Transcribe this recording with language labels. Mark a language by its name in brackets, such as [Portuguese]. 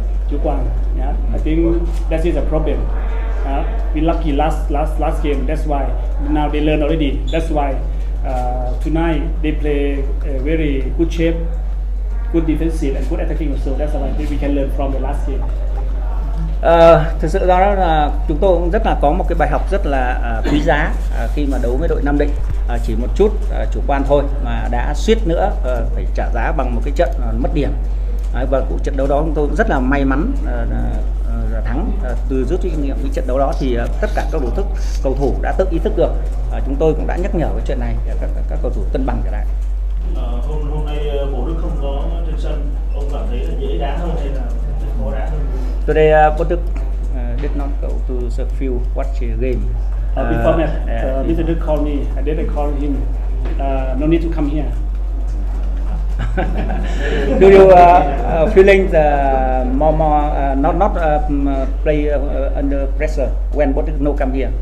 [Vietnamese] chủ quan. [English] Yeah, I think that is a problem. We lucky last game. That's why now they learn already. That's why tonight they play very good shape, good defensive and good attacking also. That's why we can learn from the last game. [Vietnamese] Thực sự đó là chúng tôi cũng rất là có một cái bài học rất là quý giá khi mà đấu với đội Nam Định. Chỉ một chút chủ quan thôi mà đã suýt nữa phải trả giá bằng một cái trận mất điểm. Và cuộc trận đấu đó chúng tôi cũng rất là may mắn thắng. Từ rút kinh nghiệm cái trận đấu đó thì tất cả các cầu thủ đã tự ý thức được. Chúng tôi cũng đã nhắc nhở cái chuyện này để các cầu thủ cân bằng trở lại. Hôm nay Bồ Đức không có trên sân, ông cảm thấy là dễ đá hơn hay là khó đá hơn? [English] Today, Bodek did not go to the field watch a game. Before that, Mr. Duke called me. I didn't call him. No need to come here. Do you feeling the more play under pressure when Bodek no come here?